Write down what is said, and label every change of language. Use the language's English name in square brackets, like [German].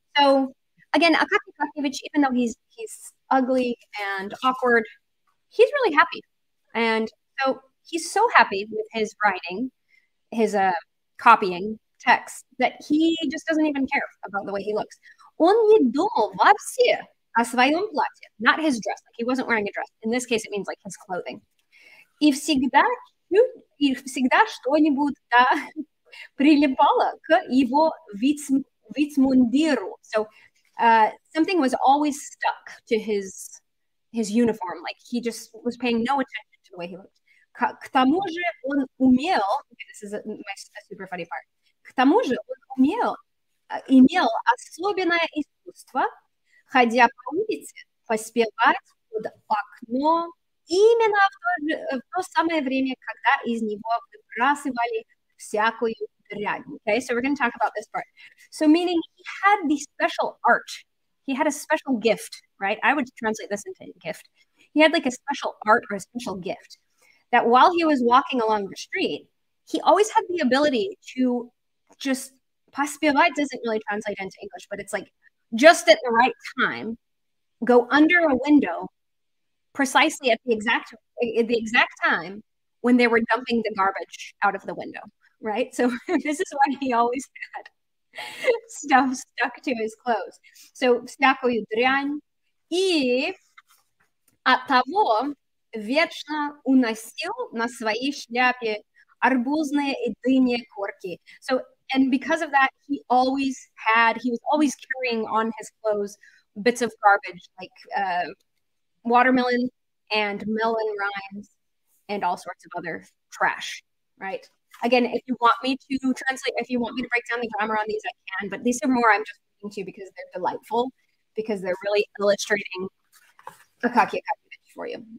[English] So again, Akaki Akakievich, even though he's ugly and awkward, he's really happy. And so he's so happy with his writing, his copying text, that he just doesn't even care about the way he looks. [Russian] Он не думал вообще о своем платье. [English] Not his dress. Like he wasn't wearing a dress. In this case, it means like his clothing. [Russian] И всегда... И всегда что-нибудь да, прилипало к его вицмундиру. [English] So something was always stuck to his uniform. Like he just was paying no attention to the way he looked. [Russian] К тому же он умел, [English] okay, this is a super funny part. [Russian] К тому же он умел, имел особенное искусство, ходя по улице, поспевать под окно, именно в то самое время, когда из него выбрасывали всякую дрянь. [English] Okay, so we're going to talk about this part. So meaning he had the special art. He had a special gift, right? I would translate this into gift. He had like a special art or a special gift that while he was walking along the street, he always had the ability to just, поспевать doesn't really translate into English, but it's like just at the right time, go under a window precisely at the exact time when they were dumping the garbage out of the window, right? So this is why he always had stuff stuck to his clothes. [Russian] So всякую дрянь и от того вечно уносил на своей шляпе арбузные и дыни корки. [English] So and because of that, he was always carrying on his clothes bits of garbage like watermelon and melon rinds and all sorts of other trash, right? Again, if you want me to translate, if you want me to break down the grammar on these, I can, but these are more I'm just reading to because they're delightful, because they're really illustrating Akaki Akakievich for you.